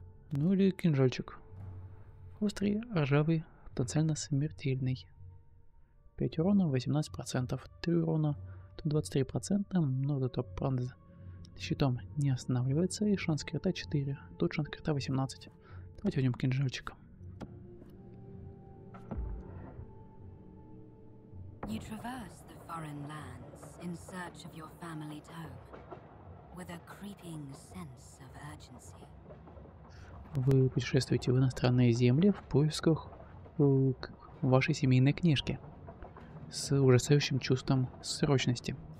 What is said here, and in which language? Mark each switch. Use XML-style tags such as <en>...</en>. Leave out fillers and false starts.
<ru>Ну или кинжальчик. Острый, ржавый, потенциально смертельный. 5 урона, 18%, 3 урона, тут 23%, но зато пронз щитом не останавливается, и шанс крита 4, тут шанс крита 18. Давайте возьмем кинжальчик.</ru> <en>You traverse the foreign lands in search of your family's home with a creeping sense of urgency.</en> <ru>Вы путешествуете в иностранные земли в поисках вашей семейной книжки. С ужасающим чувством срочности.</ru>